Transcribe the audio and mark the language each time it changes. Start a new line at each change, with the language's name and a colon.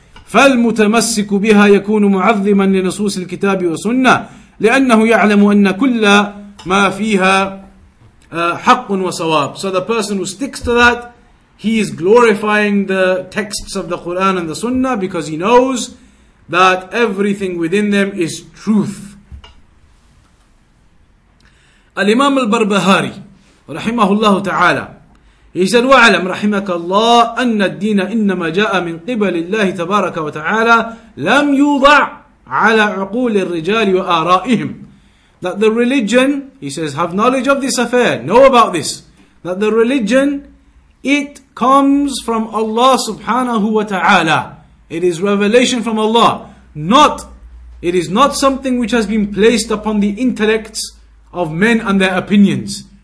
Arabic: فَالْمُتَمَسِّكُ بِهَا يَكُونُ مُعَظِّمًا لِنَصُوصِ الْكِتَابِ وَسُنَّةِ لِأَنَّهُ يَعْلَمُ أَنَّ كُلَّ مَا فِيهَا حَقٌّ وَصَوَابٌ.
English: So the person who sticks to that, he is glorifying the texts of the Qur'an and the Sunnah, because he knows that everything within them is truth.
Arabic: الإمام البربهاري رحمه الله تعالى
English: he said
Arabic: وعلم رحمك الله أن الدين إنما جاء من قبل الله تبارك وتعالى لم يوضع على عقول الرجال وآرائهم.
English: That the religion, he says, have knowledge of this affair, know about this, that the religion, it comes from Allah subhanahu wa ta'ala. It is revelation from Allah. Not, it is not something which has been placed upon the intellects of men and their opinions.